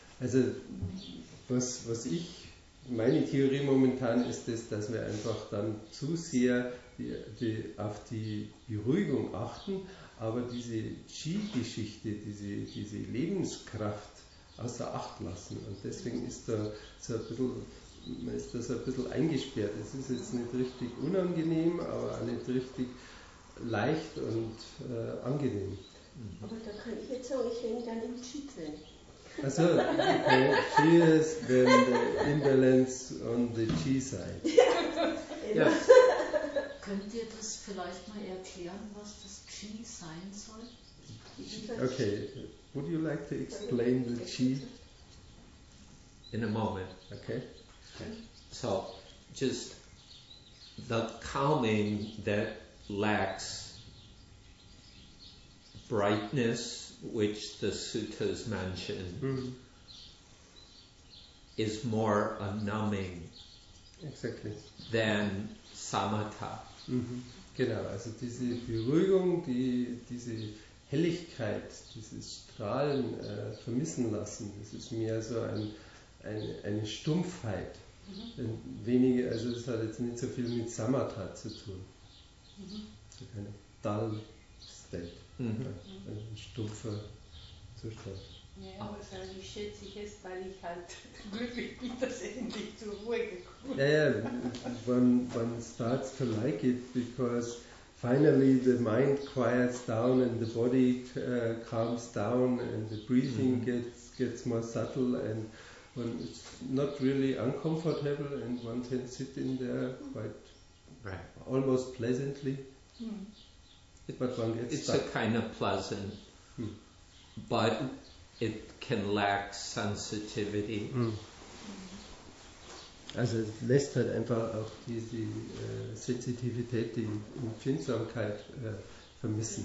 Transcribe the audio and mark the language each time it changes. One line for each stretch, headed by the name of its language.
German: Also, was ich, meine Theorie momentan ist es, dass wir einfach dann zu sehr auf die Beruhigung achten, aber diese Qi-Geschichte, diese Lebenskraft außer Acht lassen. Und deswegen ist da so ein bisschen, ist das ein bisschen eingesperrt. Es ist jetzt nicht richtig unangenehm, aber auch nicht richtig leicht und angenehm. Aber da kann ich jetzt auch, ich hänge dann im Qi drin. Also, okay.
English: She is then the imbalance on the G side. Yes.
German: Könnt ihr das vielleicht mal erklären, was das G sein soll?
English: Okay, would you like to explain the G? In a moment. Okay. So, just the calming that lacks brightness, which the suttas mention, is more a numbing exactly than samatha. Mm-hmm.
German: Genau, also diese Beruhigung, diese Helligkeit, dieses Strahlen vermissen lassen, das ist mehr so eine Stumpfheit. Mm-hmm. Weniger, also das hat jetzt nicht so viel mit samatha zu tun. Mm-hmm. So eine
English: dull state.
German: Mm-hmm. Ein stumpfer Zustand. Ja, wahrscheinlich schätze ich es, weil ich halt glücklich bin, dass endlich zur Ruhe gekommen bin.
English: One starts to like it, because finally the mind quiets down and the body calms down and the breathing gets more subtle, and one, it's not really uncomfortable, and one can sit in there quite almost pleasantly. But one gets it's stuck. A kind of pleasant, but it can lack sensitivity.
German: Also es lässt halt einfach auch diese Sensitivität, die Empfindsamkeit vermissen.